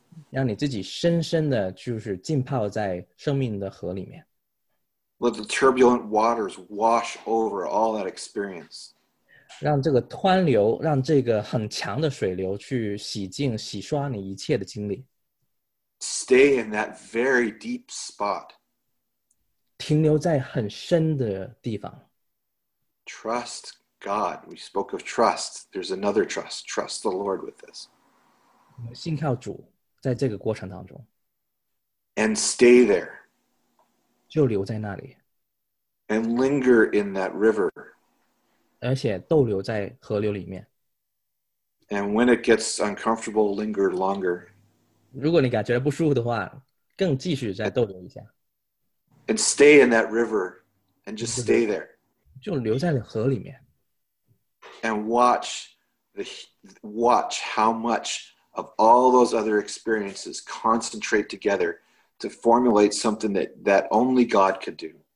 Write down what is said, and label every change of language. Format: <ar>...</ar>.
<zh>让你自己深深的就是浸泡在生命的河里面。</zh> <en>Let the turbulent waters wash over all that experience.</en> <zh>让这个湍流，让这个很强的水流去洗净、洗刷你一切的经历。</zh> <en>Stay in that very deep spot.</en> <zh>停留在很深的地方。</zh> <en>Trust God. We spoke of trust. There's another trust. Trust the Lord with this.</en> <zh>信靠主。在这个过程当中,</zh> <en>and stay there.</en> <zh>就留在那里,</zh> <en>and linger in that river.</en> <zh>而且逗留在河流里面,</zh> <en>and when it gets uncomfortable, linger longer.</en> <zh>如果你感觉不舒服的话, 更继续再逗留一下,</zh> <en>and stay in that river and just stay there.</en> <zh>就留在河里面,</zh> <en>and watch how much of all those other experiences concentrate together to formulate something that only God could do.</en>